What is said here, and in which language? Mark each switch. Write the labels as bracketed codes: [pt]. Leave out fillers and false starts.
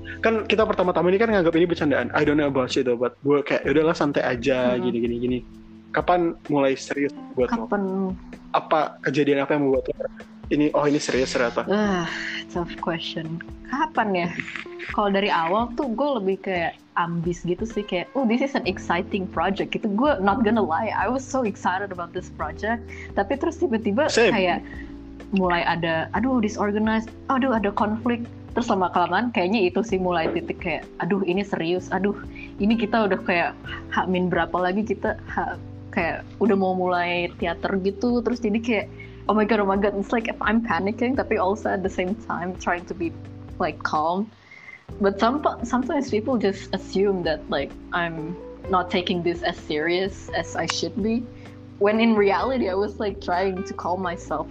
[id] Kan kita pertama-tama ini kan nganggap ini bercandaan. [en] I don't know about you though, but [id] gue kayak udahlah santai aja, gini-gini-gini. Kapan mulai serius buat lo? Kapan? Apa kejadian apa yang membuat lo ini? Oh ini serius ternyata. [en] Tough question. [id] Kapan ya? Kalau dari awal tuh gue lebih kayak ambis gitu sih, kayak oh [en] this is an exciting project [id] gitu. [en] Gue not gonna lie, I was so excited about this project. [id] Tapi terus tiba-tiba same. Kayak mulai ada aduh disorganized, aduh ada konflik. Terus lama kelamaan kayaknya itu sih mulai titik kayak aduh ini serius, aduh ini kita udah kayak hamin berapa lagi kita kayak udah mau mulai teater gitu. Terus jadi kayak [en] oh my god, oh my god, it's like I'm panicking [id] tapi [en] also at the same time trying to be like calm. But sometimes people just assume that like I'm not taking this as serious as I should be. When in reality I was like trying to calm myself.